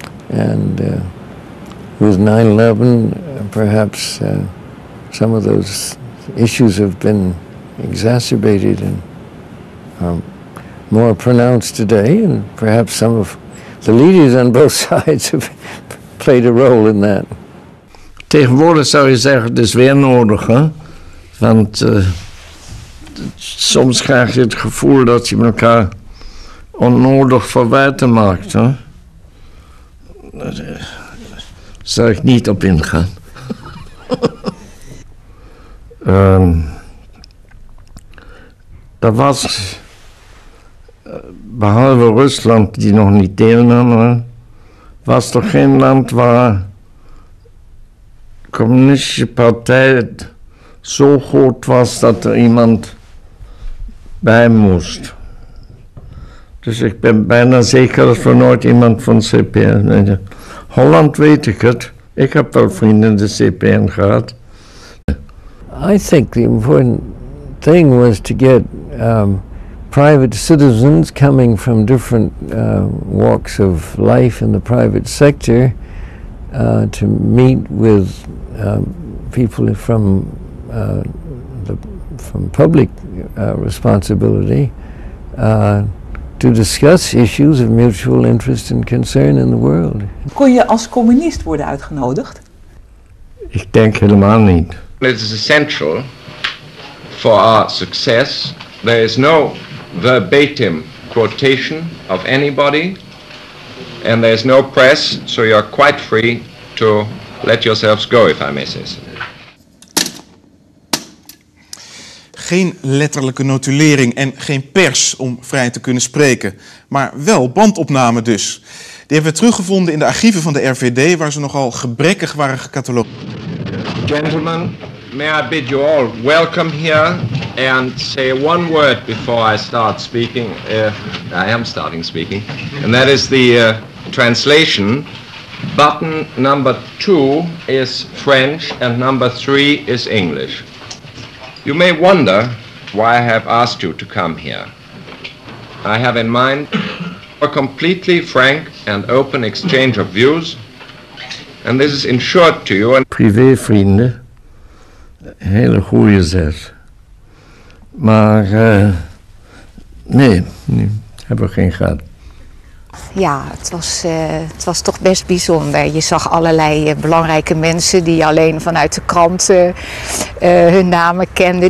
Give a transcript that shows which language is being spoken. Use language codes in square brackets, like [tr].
[en] And with 9/11, perhaps some of those issues have been exacerbated and are more pronounced today, and perhaps some of the leaders on both sides have played a role in that. [nl] Tegenwoordig zou je zeggen, het is weer nodig, hè? Want soms krijg je het gevoel dat je elkaar onnodig verwijten maakt, hè? Daar zou ik niet op ingaan. Er was, behalve Rusland, die nog niet deelnam, hè, was er geen land waar de communistische partij zo groot was dat er iemand bij moest. Dus ik ben bijna zeker dat we nooit iemand van CPN. Holland weet ik het. Ik heb wel vrienden in de CPN gehad. [en] I think the important thing was to get private citizens coming from different walks of life in the private sector to meet with people from public responsibility to discuss issues of mutual interest and concern in the world. [nl] Kon je als communist worden uitgenodigd? Ik denk helemaal niet. [en] It is essential for our success. There is no verbatim quotation of anybody, and there is no press, so you are quite free to let yourselves go, if I may say so. [nl] Geen letterlijke notulering en geen pers om vrij te kunnen spreken, maar wel bandopname dus. Die hebben we teruggevonden in de archieven van de RVD, waar ze nogal gebrekkig waren gecatalogeerd. [en] Gentlemen, may I bid you all welcome here and say one word before I start speaking. I am starting speaking, and that is the translation. Button number 2 is French and number 3 is English. You may wonder why I have asked you to come here. I have in mind a completely frank and open exchange of views, and this is ensured to you. [nl] Privé vrienden, hele goede zet. Maar nee, hebben we geen gehad. Ja, het was toch best bijzonder. Je zag allerlei belangrijke mensen die alleen vanuit de kranten hun namen kenden.